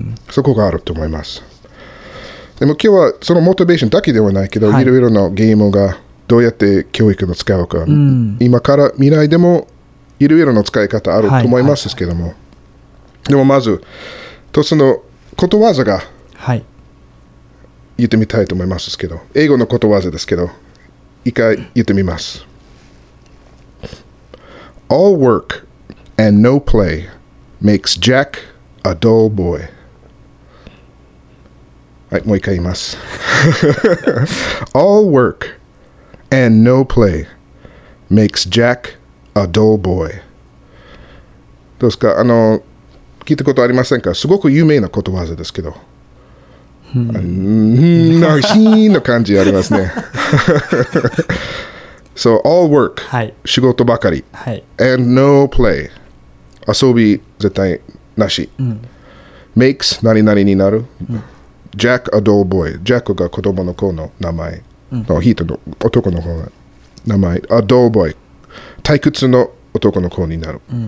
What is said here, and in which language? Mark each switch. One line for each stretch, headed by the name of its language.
Japanese: そこがあると思います。でも今日はそのモチベーションだけではないけど、いろいろなゲームがどうやって教育の使うか、今から未来でもいろいろな使い方あると思いますけども、でもまずとそのことわざが言ってみたいと思いますけど、英語のことわざですけど一回言ってみます。
English: All work and no play makes Jack a dull boy.
Japanese: はい、もう一回言います。
English: All work and no play makes Jack a dull boy.
Japanese: どうですか？あの、聞いたことありませんか？すごく有名なことわざですけど。なんかシーンの感じありますね。
English: So, all work,、
Japanese: はい、仕事ばかり、はい、
English: and no play,
Japanese: 遊び絶対なし、
English: makes
Japanese: 何々になる、
English: Jack a dull boy,
Japanese: Jack が子供の子の名前、のヒートの男の子の名前、
English: a dull boy,
Japanese: 退屈の男の子になる。